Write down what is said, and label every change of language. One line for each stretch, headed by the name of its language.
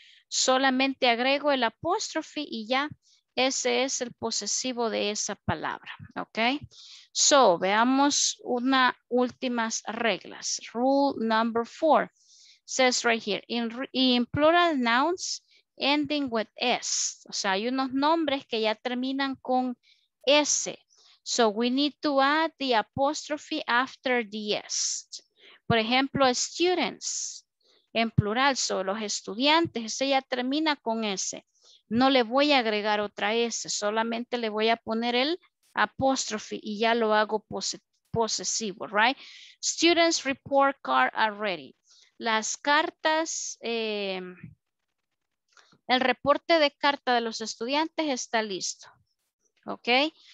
Spanish: Solamente agrego el apóstrofe y ya ese es el posesivo de esa palabra, ¿ok? So, veamos una últimas reglas.
English: Rule number four says right here, in plural nouns ending with S.
Spanish: O sea, hay unos nombres que ya terminan con S.
English: So, we need to add the apostrophe after the S.
Spanish: Por ejemplo, students. En plural, son los estudiantes, ese ya termina con S. No le voy a agregar otra S, solamente le voy a poner el apóstrofe y ya lo hago posesivo, right?
English: Students report card already.
Spanish: Las cartas, el reporte de carta de los estudiantes está listo, ¿ok?